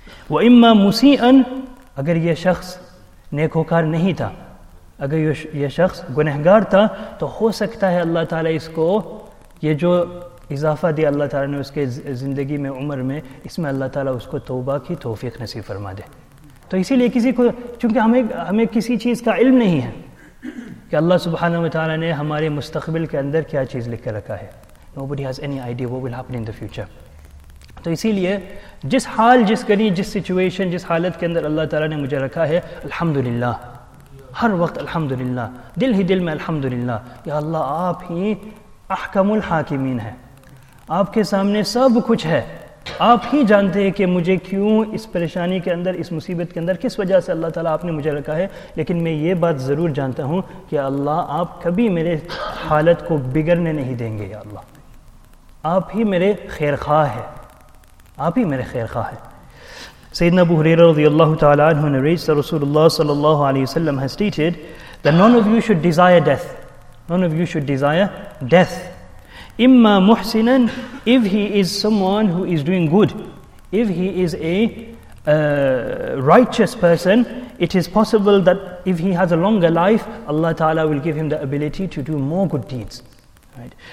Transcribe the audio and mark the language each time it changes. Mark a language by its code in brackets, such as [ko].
[ar] وَإِمَّا مُسِيئًا, [ur] اگر یہ شخص نیکوکار نہیں تھا, اگر یہ شخص گنہگار تھا, تو ہو سکتا ہے اللہ تعالیٰ اس کو یہ جو اضافہ دیا اللہ تعالیٰ نے اس کے زندگی میں, عمر میں, اس میں اللہ تعالیٰ اس کو توبہ کی توفیق نصیب فرما دے. تو اسی لیے کسی کو, چونکہ ہمیں کسی چیز کا علم نہیں ہے کہ اللہ سبحانہ وتعالی نے ہمارے مستقبل کے اندر کیا چیز لکھ کے رکھا ہے. [en] Nobody has any idea what will happen in the future. [ur] تو اسی لیے جس حال, جس گھڑی, جس سچویشن, جس حالت کے اندر اللہ تعالی نے مجھے رکھا ہے, الحمدللہ, ہر وقت الحمدللہ, دل ہی دل میں الحمدللہ. یا اللہ, آپ ہی احکم الحاکمین ہیں, آپ کے سامنے سب کچھ ہے, آپ ہی جانتے ہیں کہ مجھے کیوں اس پریشانی کے اندر, اس مصیبت کے اندر کس وجہ سے اللہ تعالیٰ آپ نے مجھے رکھا ہے, لیکن میں یہ بات ضرور جانتا ہوں کہ اللہ, آپ کبھی میرے حالت کو بگڑنے نہیں دیں گے. یا اللہ, آپ ہی میرے خیر خواہ ہے, آپ ہی میرے خیر خواہ ہے. [en] سیدنا ابو ہریرہ رضی اللہ تعالیٰ عنہ narrates that رسول اللہ صلی اللہ علیہ وسلم has stated that none of you should desire death, none of you should desire death. [ar] إِمَّا مُحْسِنًا, [en] if he is someone who is doing good, if he is a righteous person, it is possible that if he has a longer life, Allah Ta'ala will give him the ability to do more good deeds. Right?